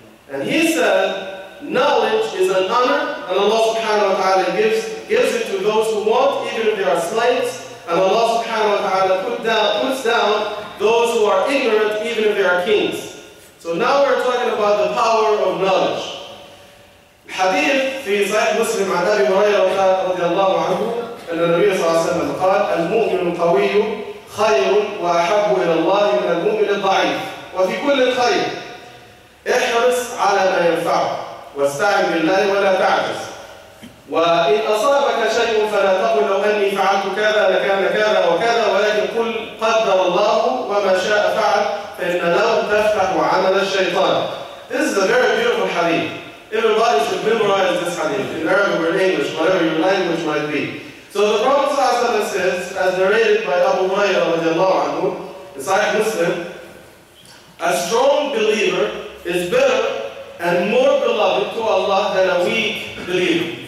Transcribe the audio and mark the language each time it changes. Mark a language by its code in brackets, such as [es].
[en] And he said, knowledge is an honor, and Allah subhanahu wa ta'ala gives it to those who want, even if they are slaves, and Allah subhanahu wa ta'ala puts down those who are ignorant, even if they are kings. So now we're talking about the power of knowledge. Hadith fi Sahih Muslim an Abi Hurayra radiallahu anhu, and the Nabi sallallahu alayhi wa sallam said, [ar] المؤمن القوي خير وأحب إلى الله من المؤمن الضعيف وفي كل خير احرص على ما ينفعك واستعن بالله ولا تعجز وإن أصابك شيء فلا تقل لو أني فعلت كذا لكان كذا وكذا ولكن قل قدر الله وما شاء فعل فإن له تفتح عمل الشيطان. [en] This is a very beautiful hadith. Everybody should memorize this hadith in Arabic or English, whatever your language might be. So the Prophet ﷺ says, as narrated by Abu Hurairah عنه, in Sahih Muslim, a strong believer is better and more beloved to Allah than a weak believer.